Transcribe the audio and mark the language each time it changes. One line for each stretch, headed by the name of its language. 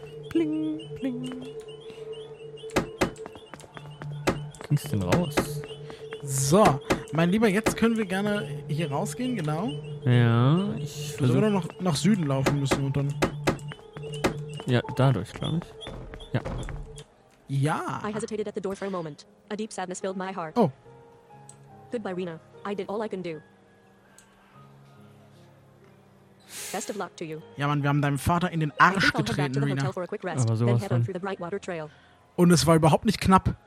German: Pling, pling. Ging's denn raus? So, mein Lieber, jetzt können wir gerne hier rausgehen, genau. Ja, Du sollst noch nach Süden laufen müssen und dann... Ja, dadurch, glaube ich. Ja. Ja.
English: I hesitated at the door for a moment. A deep sadness filled my heart. Oh. Goodbye, Rena. I did all I can do. Best of luck to you.
German: Ja, Mann, wir haben deinem Vater in den Arsch getreten, Rina. Aber sowas von. Und es war überhaupt nicht knapp.